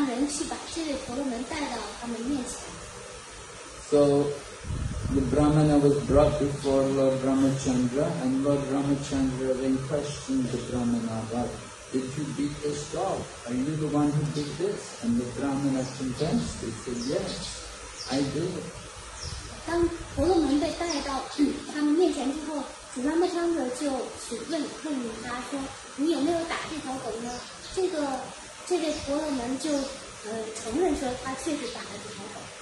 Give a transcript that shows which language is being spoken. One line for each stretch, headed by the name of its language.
Chinese: 那主拉玛昌德听到这番话之后，他就命令下令，让人去把这位婆罗门带到他们面前。
English: So the Brahmana was brought before Lord Ramachandra, and Lord Ramachandra then questioned the Brahmana about, did you beat this dog? Are you the one who did this? And the Brahmana confessed. He said, yes, I did.
Chinese: 当婆罗门被带到他们面前之后，主拉玛昌德就询问他说，你有没有打这条狗呢？这位婆罗门就承认说他确实打了这条狗。